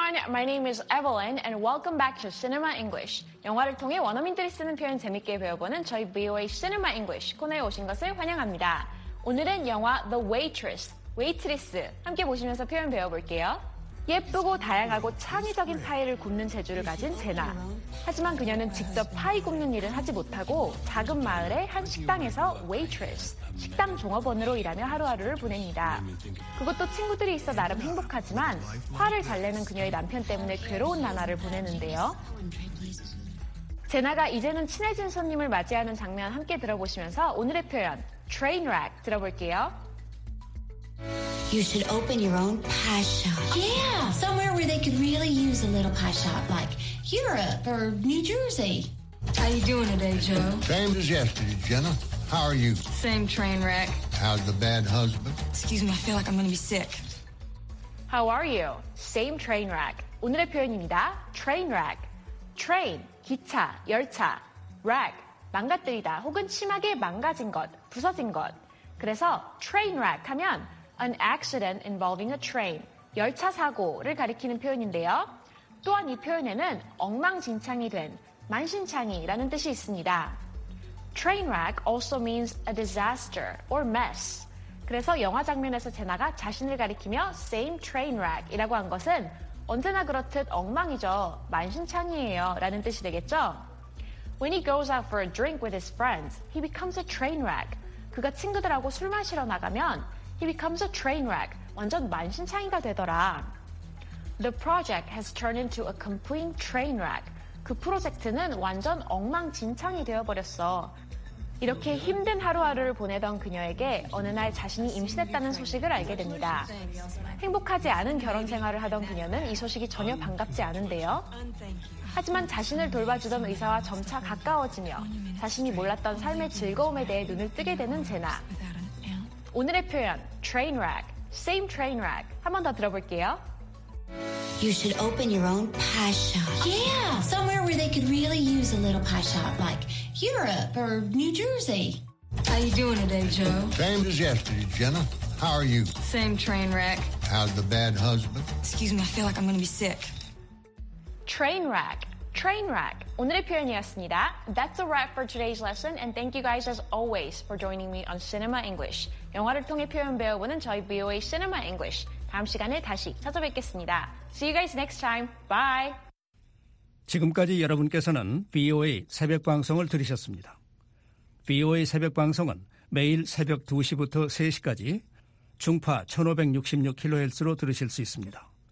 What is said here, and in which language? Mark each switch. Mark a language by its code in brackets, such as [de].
[en] My name is Evelyn and welcome back to Cinema English. [ko] 영화를 통해 원어민들이 쓰는 표현 재밌게 배워보는 저희 VOA Cinema English 코너에 오신 것을 환영합니다. 오늘은 영화 The Waitress, Waitress 함께 보시면서 표현 배워볼게요. 예쁘고 다양하고 창의적인 파이를 굽는 재주를 가진 제나. 하지만 그녀는 직접 파이 굽는 일을 하지 못하고 작은 마을의 한 식당에서 Waitress, 식당 종업원으로 일하며 하루하루를 보냅니다. 그것도 친구들이 있어 나름 행복하지만 화를 잘 내는 그녀의 남편 때문에 괴로운 나날을 보내는데요. 제나가 이제는 친해진 손님을 맞이하는 장면 함께 들어보시면서 오늘의 표현 Train Wreck 들어볼게요. [en] You should open your own pie shop. Yeah, somewhere where they could really use a little pie shop, like Europe or New Jersey. How you doing today, Joe? Same as yesterday, Jenna. How are you? Same train wreck. How's the bad husband? Excuse me, I feel like I'm going to be sick. How are you? Same train wreck. [ko] 오늘의 표현입니다. [en] Train wreck. [ko] Train, 기차, 열차. Wreck, 망가뜨리다 혹은 심하게 망가진 것, 부서진 것. 그래서 train wreck 하면 [en] An accident involving a train, [ko] 열차 사고를 가리키는 표현인데요. 또한 이 표현에는 엉망진창이 된, 만신창이라는 뜻이 있습니다. [en] Train wreck also means a disaster or mess. [ko] 그래서 영화 장면에서 제나가 자신을 가리키며 same train wreck이라고 한 것은 언제나 그렇듯 엉망이죠, 만신창이에요 라는 뜻이 되겠죠. [en] When he goes out for a drink with his friends, he becomes a train wreck. [ko] 그가 친구들하고 술 마시러 나가면 [en] He becomes a train wreck. [ko] 완전 만신창이가 되더라. [en] The project has turned into a complete train wreck. [ko] 그 프로젝트는 완전 엉망진창이 되어버렸어. 이렇게 힘든 하루하루를 보내던 그녀에게 어느 날 자신이 임신했다는 소식을 알게 됩니다. 행복하지 않은 결혼 생활을 하던 그녀는 이 소식이 전혀 반갑지 않은데요. 하지만 자신을 돌봐주던 의사와 점차 가까워지며 자신이 몰랐던 삶의 즐거움에 대해 눈을 뜨게 되는 제나. 오늘의 표현, train wreck, same train wreck. 한 번 더 들어볼게요. [en] You should open your own pie shop. Yeah, somewhere where they could really use a little pie shop, like Europe or New Jersey. How you doing today, Joe? Same as yesterday, Jenna. How are you? Same train wreck. How's the bad husband? Excuse me, I feel like I'm going to be sick. Train wreck. Train wreck. [ko] 오늘의 표현이었습니다. [en] That's a wrap for today's lesson and thank you guys as always for joining me on Cinema English. [ko] 영화를 통해 표현 배워보는 저희 VOA Cinema English. 다음 시간에 다시 찾아뵙겠습니다. [en] See you guys next time. Bye. [ko] 지금까지 여러분께서는 VOA 새벽 방송을 들으셨습니다. VOA 새벽 방송은 매일 새벽 2시부터 3시까지 중파 1566kHz로 들으실 수 있습니다.